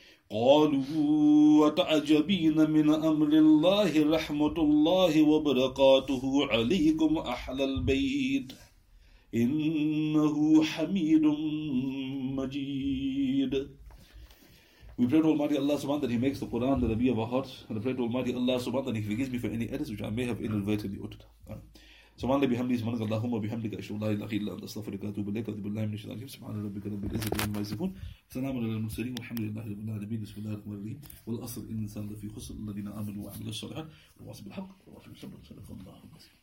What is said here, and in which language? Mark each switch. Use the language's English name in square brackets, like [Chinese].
[Arabic] قالوا أتعجبين من أمر الله رحمة الله وبركاته عليكم أهل البيت إنه حميد مجيد. [English] We pray to Almighty Allah subhanahu that He makes the Quran the Rabi of our hearts, and I pray to Almighty Allah subhanahu that He forgives me for any edits which I may have inadvertently uttered. [Arabic] سبحان الله بحمده سبحانك اللهم وبحمدك أشهد أن لا إله إلا أنت أستغفرك وأتوب إليك وأتوب إلى من شاء الله سبحان ربك رب العزة عما يصفون سلام على المرسلين والحمد لله رب العالمين بسم الله الرحمن الرحيم والأصل إن الإنسان لفي خسر الذين آمنوا وعملوا الصالحات وواصوا بالحق وواصوا بالصبر صدق الله العظيم.